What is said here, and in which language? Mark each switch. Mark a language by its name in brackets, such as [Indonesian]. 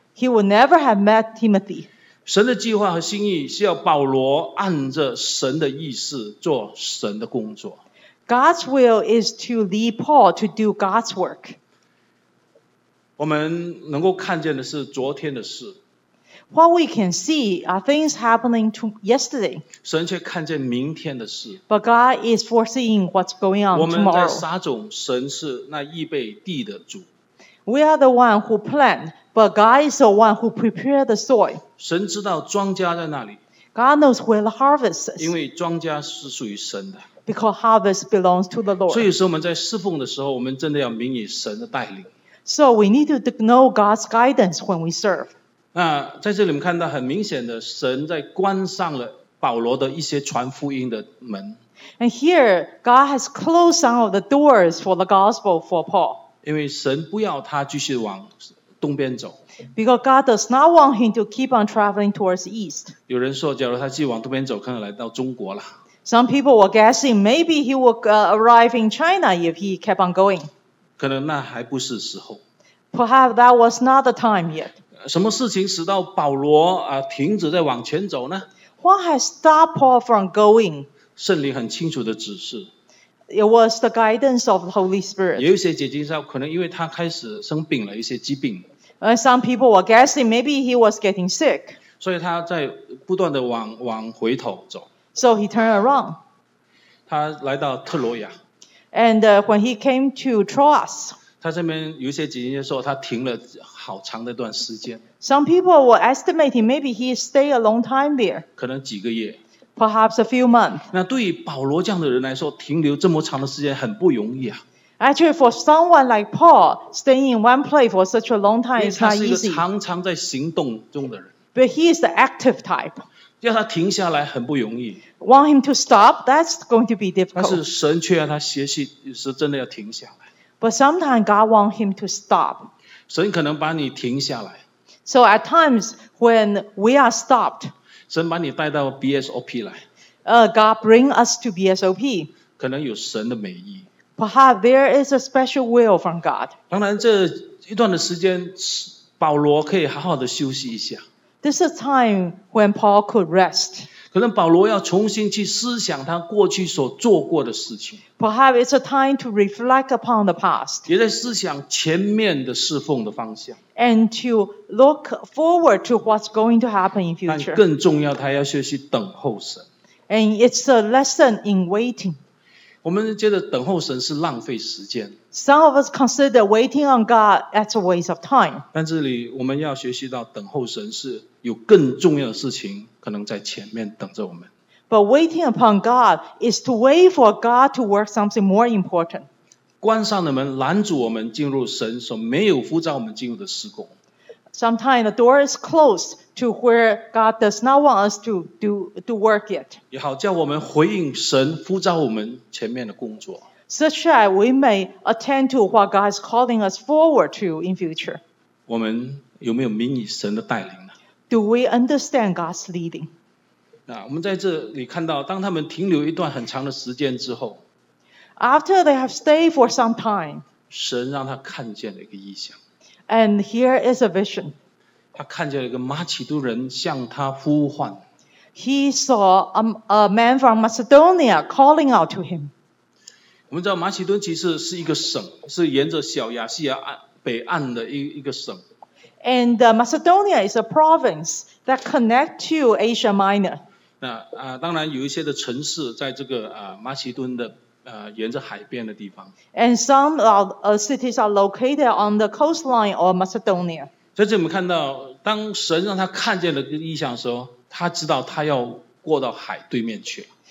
[English] He would never have met Timothy. [Chinese] 神的计划和心意是要保罗按着神的意思做神的工作。 [English] God's will is to lead Paul to do God's work. [Chinese] 我们能够看见的是昨天的事。 [English] What we can see are things happening to yesterday. [Chinese] 神却看见明天的事。 [English] But God is foreseeing what's going on tomorrow. [Chinese] 我们在撒种，神是那预备地的主。 [English] We are the one who plant, but God is the one who prepare the soil. [Chinese] 神知道庄稼在哪里。 [English] God knows where the harvest is. [Chinese] 因为庄稼是属于神的。 [English] Because harvest belongs to the Lord. [Chinese] 所以有时候我们在侍奉的时候，我们真的要明白神的带领。 [English] So we need to know God's guidance when we serve. [Chinese] 那在这里我们看到很明显的神在关上了保罗的一些传福音的门。 [English] And here, God has closed some of the doors for the gospel for Paul. [Chinese] 因为神不要他继续往东边走。 [English] Because God does not want him to keep on traveling towards east. [Chinese] 有人说假如他继续往东边走可能来到中国了。 [English] Some people were guessing maybe he would arrive in China if he kept on going. [Chinese] 可能那还不是时候。 [English] Perhaps that was not the time yet. [Chinese] 什么事情使到保罗停止在往前走呢 [English] ？What has stopped Paul from going？ [Chinese] 圣灵很清楚的指示。 [English] It was the guidance of the Holy Spirit。 [Chinese] 有一些解经上可能因为他开始生病了一些疾病。 [English] Some people were guessing maybe he was getting sick。 [Chinese] 所以他在不断的往回头走。 [English] So he turned around。 [Chinese] 他来到特罗亚。 [English] And when he came to Troas。 [Chinese] 他这边有一些解经说他停了好长的一段时间。 [English] Some people were estimating maybe he stayed a long time there. [Chinese] 可能几个月。 [English] Perhaps a few months. [Chinese] 那对于保罗这样的人来说停留这么长的时间很不容易啊。 [English] Actually for someone like Paul, staying in one place for such a long time is not easy. [Chinese] 因为他是一个常常在行动中的人。 [English] But he is the active type. [Chinese] 要他停下来很不容易。 [English] Want him to stop, that's going to be difficult. [Chinese] 但是神却要他学习是真的要停下来。 [English] But sometimes God wants him to stop. [Chinese] 神可能把你停下来。 [English] So at times when we are stopped. [Chinese] 神把你带到 BSOP 来。 [English] God bring us to BSOP. [Chinese] 可能有神的美意。 [English] Perhaps there is a special will from God. [Chinese] 当然这一段的时间保罗可以好好的休息一下。 [English] This is a time when Paul could rest. [Chinese] 可能保罗要重新去思想他过去所做过的事情。 [English] Perhaps it's a time to reflect upon the past. [Chinese] 也在思想前面的侍奉的方向。 [English] And to look forward to what's going to happen in future. [Chinese] 但更重要，他要学习等候神。 [English] And it's a lesson in waiting. [Chinese] 我们觉得等候神是浪费时间。 [English] Some of us consider waiting on God as a waste of time. [Chinese] 但这里我们要学习到等候神是有更重要的事情可能在前面等着我们。 [English] But waiting upon God is to wait for God to work something more important. [Chinese] 关上的门拦阻我们进入神所没有呼召我们进入的事工。 [English] Sometimes the door is closed to where God does not want us to do work yet. [Chinese] 也好叫我们回应神呼召我们前面的工作。 [English] Such that we may attend to what God is calling us forward to in future. [Chinese] 我们有没有明白神的带领呢？ [English] Do we understand God's leading? [Chinese] 那我们在这里看到，当他们停留一段很长的时间之后， [English] After they have stayed for some time, [Chinese] 神让他看见了一个异象。 [English] And here is a vision. [Chinese] 他看见了一个马其顿人向他呼唤。 [English] He saw a man from Macedonia calling out to him. [Chinese] 我们知道马其顿其实是一个省，是沿着小亚细亚北岸的一个省。 [English] And Macedonia is a province that connects to Asia Minor. [Chinese] 那当然有一些的城市在这个马其顿的沿着海边的地方。 [English] And some of cities are located on the coastline of Macedonia. [Chinese] 在这里我们看到，当神让他看见了这个异象的时候，他知道他要过到海对面去。